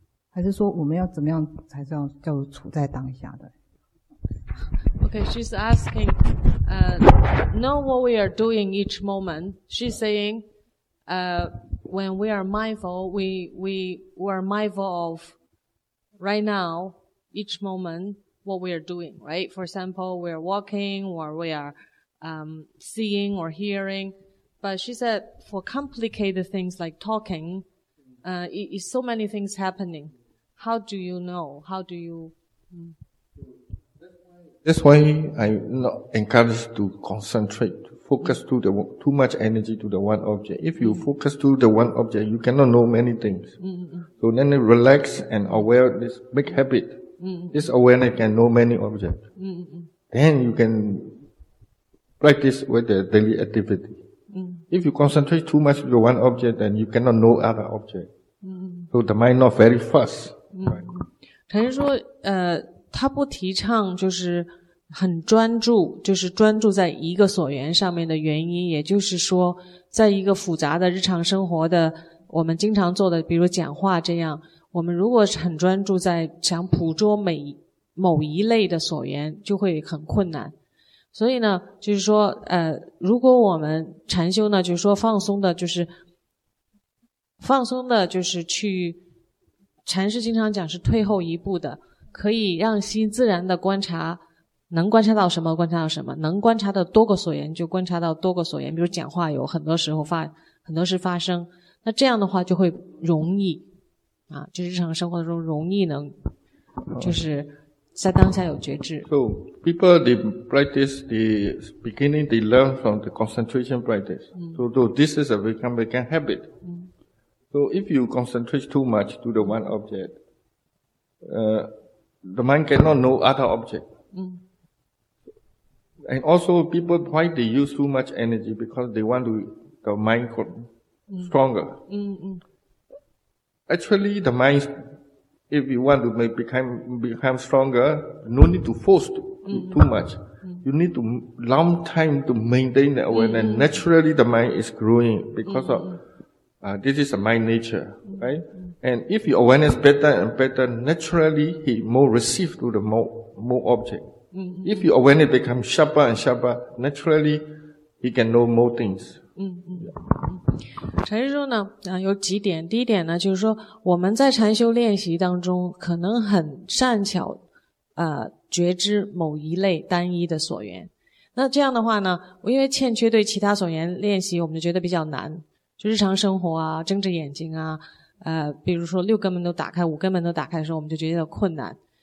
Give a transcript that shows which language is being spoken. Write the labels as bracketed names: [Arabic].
[Chinese] 还是说我们要怎么样才是要叫做处在当下的 [English] ？Okay, she's asking, know what we are doing each moment. She's saying, when we are mindful, we are mindful of right now, each moment. What we are doing, right? For example, we are walking, or we are seeing or hearing. But she said, for complicated things like talking, it's so many things happening. How do you know? How do you? That's why I'm not encouraged to concentrate, focus too much energy to the one object. If you focus to the one object, you cannot know many things. So then you relax and aware this big habit. This awareness can know many objects. Then you can practice with the daily activity. If you concentrate too much with one object, then you cannot know other object. So the mind not very fast. [Chinese] 陈说他不提倡就是很专注，就是专注在一个所缘上面的原因，也就是说在一个复杂的日常生活的我们经常做的比如讲话这样，我们如果很专注在想捕捉某一类的所缘就会很困难。所以呢就是说如果我们禅修呢就是说放松的就是去禅师经常讲是退后一步的，可以让心自然的观察，能观察到什么观察到什么，能观察到多个所缘就观察到多个所缘，比如讲话有很多时候很多事发生，那这样的话就会容易啊，就日常生活中容易能就是在当下有觉知。 [English] So people they practice the beginning they learn from the concentration practice. So this is a become habit. So if you concentrate too much to the one object, the mind cannot know other object. And also people why they use too much energy because they want to the mind stronger. Actually the mind if you want to become stronger, no need to force too much. You need to long time to maintain the awareness. Naturally the mind is growing because of this is a mind nature, right? And if your awareness better and better, naturally he more receive to the more object. If your awareness become sharper and sharper, naturally he can know more things. [Chinese] 禅师说呢有几点。第一点呢就是说我们在禅修练习当中可能很善巧觉知某一类单一的所缘。那这样的话呢因为欠缺对其他所缘练习我们就觉得比较难。就日常生活啊睁着眼睛啊比如说六根门都打开五根门都打开的时候我们就觉得困难。